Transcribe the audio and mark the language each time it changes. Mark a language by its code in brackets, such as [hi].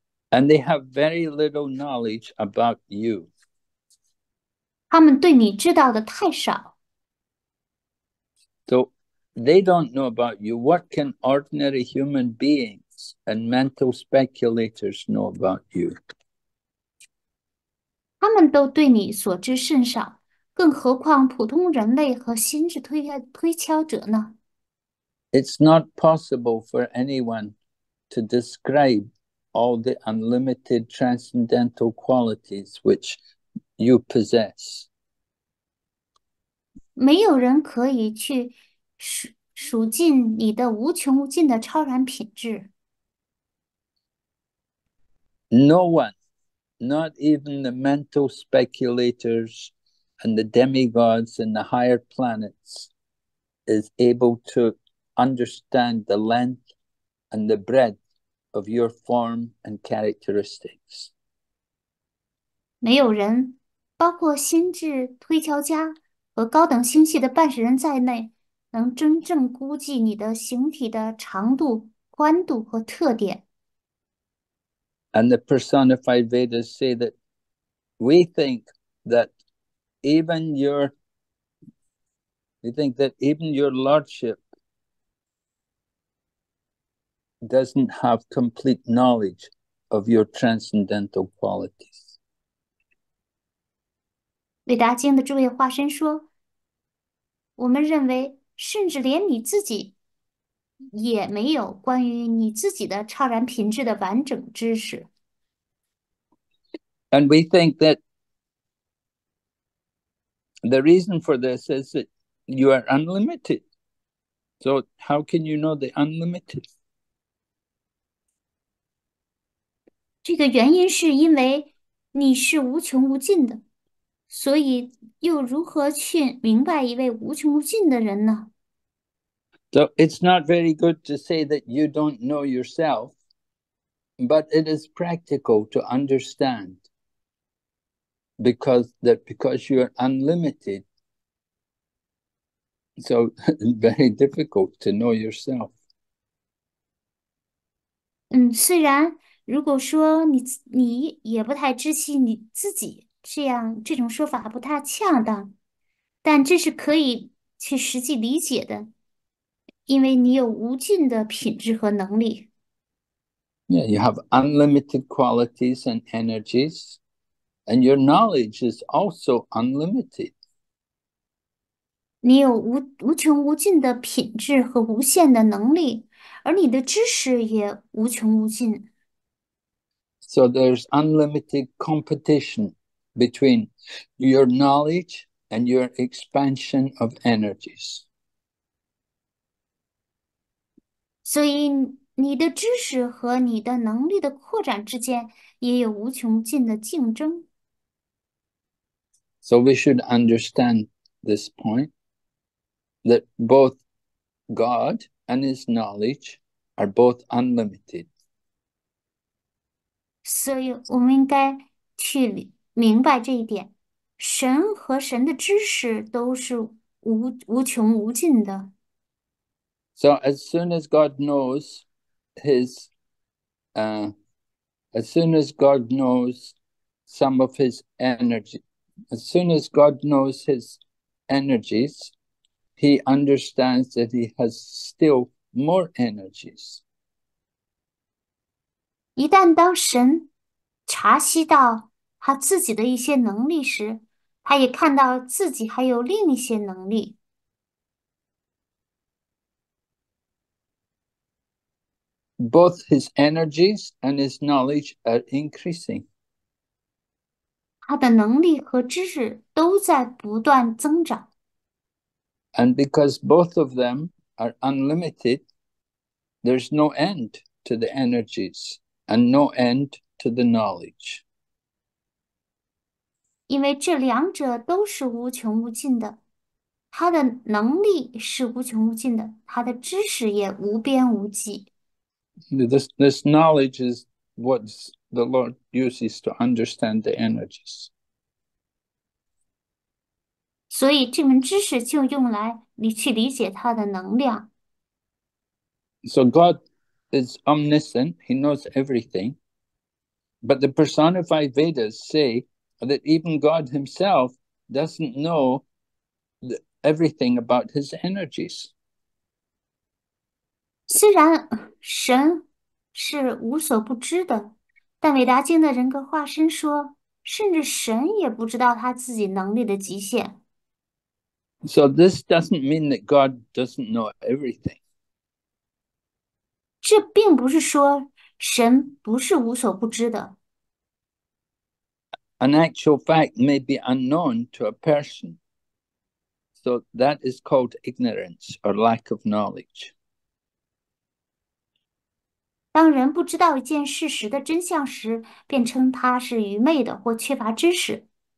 [en] And they have very little knowledge about you. [zh] 他们对你知道的太少。 [en] So they don't know about you. What can ordinary human beings and mental speculators know about you? [zh] 他们都对你所知甚少，更何况普通人类和心智推敲者呢？ [en] It's not possible for anyone to describe all the unlimited transcendental qualities which you possess. [zh] 没有人可以去数尽你的无穷无尽的超然品质。 [en] No one, not even the mental speculators and the demigods and the higher planets, is able to understand the length and the breadth of your form and characteristics. [zh] 没有人，包括心智推敲家和高等星系的半神人在内，能真正估计你的形体的长度、宽度和特点。 [en] And the personified Vedas say that we think that even your, we think that even your lordship doesn't have complete knowledge of your transcendental qualities. [zh] 韦达经的诸位化身说，我们认为甚至连你自己也没有关于你自己的超然品质的完整知识。 [en] And we think that the reason for this is that you are unlimited. So how can you know the unlimited? [zh] 这个原因是因为你是无穷无尽的，所以又如何去明白一位无穷无尽的人呢？ [en] So it's not very good to say that you don't know yourself, but it is practical to understand because you are unlimited. So very difficult to know yourself. [zh] 虽然如果说你也不太知悉你自己，这种说法不太恰当，但这是可以去实际理解的，因为你有无尽的品质和能力。 [en] Yeah, you have unlimited qualities and energies, and your knowledge is also unlimited. [zh] 你有无穷无尽的品质和无限的能力，而你的知识也无穷无尽。 [en] So there's unlimited competition between your knowledge and your expansion of energies. [zh] 所以你的知识和你的能力的扩展之间也有无穷尽的竞争。 [en] So we should understand this point. that both God and his knowledge are both unlimited. [zh] 所以，我们应该去明白这一点：神和神的知识都是无穷无尽的。 [en] So as soon as God knows his, as soon as God knows some of his energy, as soon as God knows his energies, he understands that he has still more energies. [zh] 一旦当神察悉到他自己的一些能力时，他也看到自己还有另一些能力。 [en] Both his energies and his knowledge are increasing. [zh] 他的能力和知识都在不断增长。 [en] And because both of them are unlimited, there's no end to the energies and no end to the knowledge. [zh] 因为这两者都是无穷无尽的，他的能力是无穷无尽的，他的知识也无边无际。 [en] This knowledge is what the Lord uses to understand the energies. [zh] 所以，这门知识就用来你去理解它的能量。 [en] So God is omniscient, he knows everything. But the personified Vedas say that even God himself doesn't know everything about his energies. [zh] 虽然神是无所不知的，但伟达经的人格化身说，甚至神也不知道他自己能力的极限。 [en] So this doesn't mean that God doesn't know everything. [zh] 这并不是说神不是无所不知的。 [en] An actual fact may be unknown to a person. So that is called ignorance or lack of knowledge. [zh] 当人不知道一件事实的真相时，便称它是愚昧的或缺乏知识。